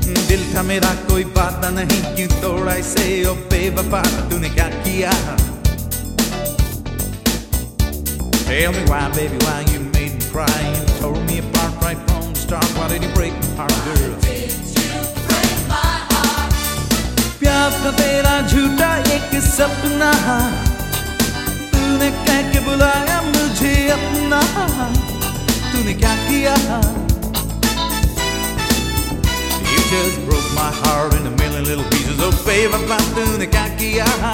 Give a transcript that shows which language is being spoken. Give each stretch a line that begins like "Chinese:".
Hindi: दिल था मेरा कोई वादा नहीं, क्यों तोड़ा इसे ओ बेवफा, तूने क्या किया?
English: Tell me why, baby, why you made me cry? You tore me apart right from the start. Why did you break my heart, girl? Why did you break my heart?
Hindi: प्यार था तेरा झूठा एक सपना, तूने कह के बुलाया मुझे अपना, तूने क्या किया?
English: Just broke my heart in a million little pieces. Oh, babe, I found you in a kakiya.